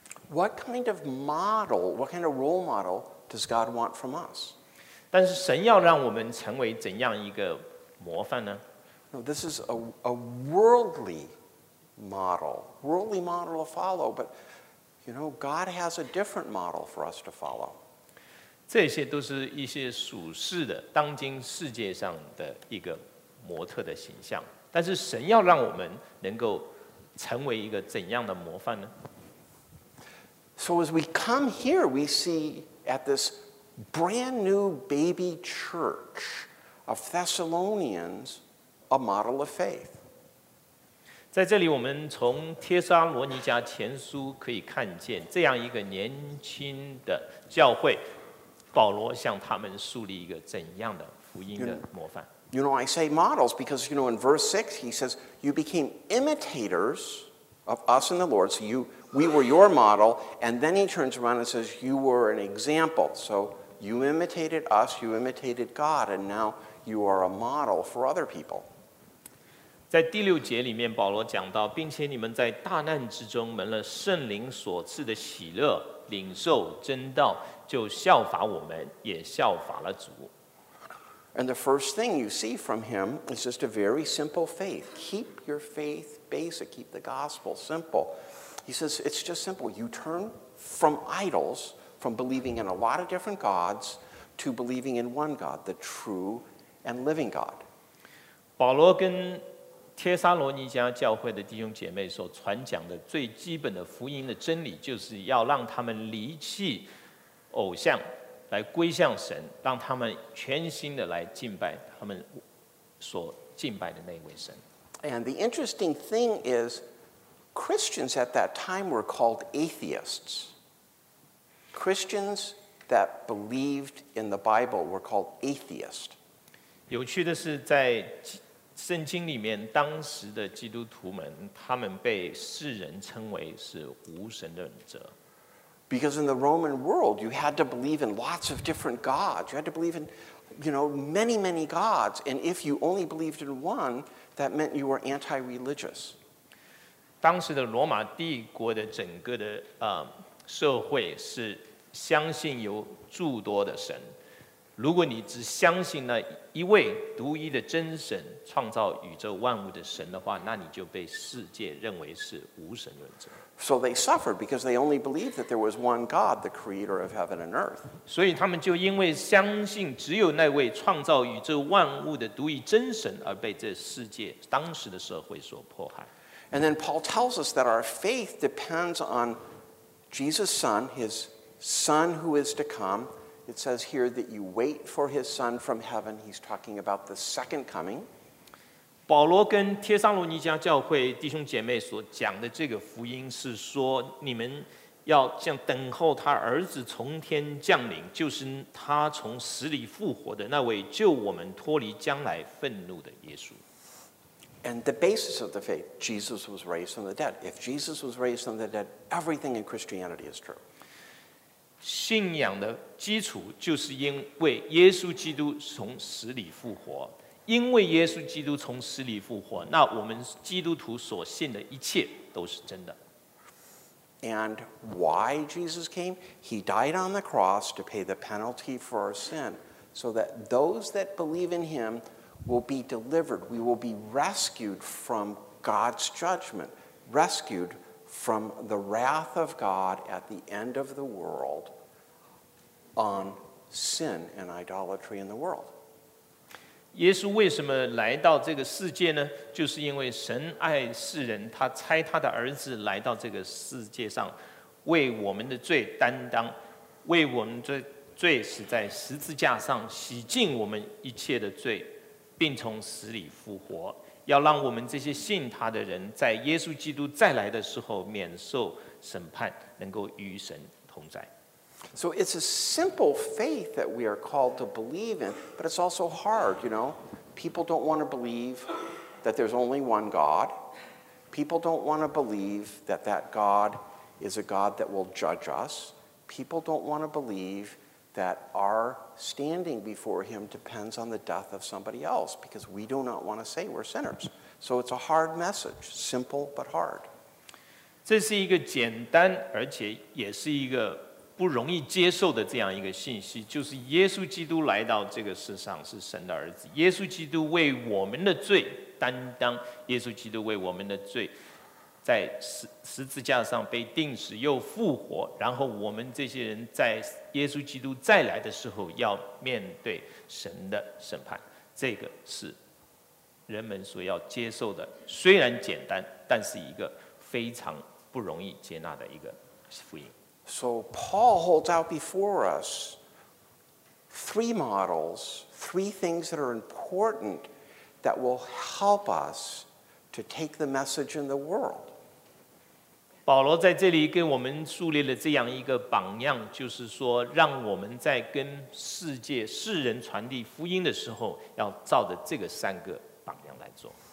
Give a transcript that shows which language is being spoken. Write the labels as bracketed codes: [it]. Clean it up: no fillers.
[en] What kind of model, what kind of role model does God want from us? [zh] 但是神要让我们成为怎样一个模范呢？ [en] No, this is a worldly model to follow, but you know, God has a different model for us to follow. [zh] 这些都是一些属世的，当今世界上的一个模特的形象，但是神要让我们能够成为一个怎样的模范呢？ [en] So as we come here, we see at this brand new baby church of Thessalonians a model of faith. [zh] 在这里我们从帖撒罗尼迦前书可以看见这样一个年轻的教会，保罗向他们树立一个怎样的福音的模范。 [en] You know, I say models because, you know, in verse 6, he says, you became imitators of us and the Lord. So we were your model. And then he turns around and says, you were an example. So you imitated us, you imitated God, and now you are a model for other people. [zh] 在第六节里面，保罗讲到，并且你们在大难之中蒙了圣灵所赐的喜乐，领受真道，就效法我们，也效法了主。 [en] And the first thing you see from him is just a very simple faith. Keep your faith basic. Keep the gospel simple. He says, it's just simple. You turn from idols, from believing in a lot of different gods, to believing in one God, the true and living God. [zh] 保罗跟帖撒罗尼迦教会的弟兄姐妹所传讲的最基本的福音的真理，就是要让他们离弃偶像，来归向神，让他们全心的来敬拜他们所敬拜的那位神。 [en] And the interesting thing is, Christians at that time were called atheists. Christians that believed in the Bible were called atheists. [zh] 有趣的是，在圣经里面，当时的基督徒们，他们被世人称为是无神论者。 [en] Because in the Roman world, you had to believe in lots of different gods. You had to believe in, you know, many, many gods. And if you only believed in one, that meant you were anti-religious. [zh] 当时的罗马帝国的整个的社会是相信有诸多的神。如果你只相信那一位独一的真神，创造宇宙万物的神的话，那你就被世界认为是无神论者。 [en] So they suffered because they only believed that there was one God, the creator of heaven and earth. [zh] 所以他们就因为相信只有那位创造宇宙万物的独一真神，而被这世界当时的社会所迫害。 [en] And then Paul tells us that our faith depends on Jesus' son, his son who is to come. It says here that you wait for his son from heaven. He's talking about the second coming. [zh] 保罗跟帖撒罗尼迦教会弟兄姐妹所讲的这个福音是说，你们要像等候他儿子从天降临，就是他从死里复活的那位救我们脱离将来愤怒的耶稣。 [en] And the basis of the faith, Jesus was raised from the dead. If Jesus was raised from the dead, everything in Christianity is true. [zh] 信仰的基础就是因为耶稣基督从死里复活。因为耶稣基督从死里复活，那我们基督徒所信的一切都是真的。 [en] And why Jesus came? He died on the cross to pay the penalty for our sin, so that those that believe in him will be delivered. We will be rescued from God's judgment, rescued from the wrath of God at the end of the world on sin and idolatry in the world. [zh] 耶稣为什么来到这个世界呢？就是因为神爱世人，他差他的儿子来到这个世界上，为我们的罪担当，为我们的罪死在十字架上，洗净我们一切的罪，并从死里复活，要让我们这些信他的人在耶稣基督再来的时候免受审判，能够与神同在。 [en] So it's a simple faith that we are called to believe in, but it's also hard, you know. People don't want to believe that there's only one God. People don't want to believe that that God is a God that will judge us. People don't want to believe that our standing before him depends on the death of somebody else, because we do not want to say we're sinners. So it's a hard message, simple but hard. [zh] 这是一个简单，而且也是一个不容易接受的这样一个信息，就是耶稣基督来到这个世上是神的儿子，耶稣基督为我们的罪担当，耶稣基督为我们的罪在十字架上被钉死又复活，然后我们这些人在耶稣基督再来的时候要面对神的审判，这个是人们所要接受的，虽然简单，但是一个非常不容易接纳的一个福音。 [en] So Paul holds out before us three models, three things that are important that will help us to take the message in the world. [zh] 保罗在这里跟我们树立了这样一个榜样，就是说让我们在跟世界世人传递福音的时候，要照着这个三个榜样来做。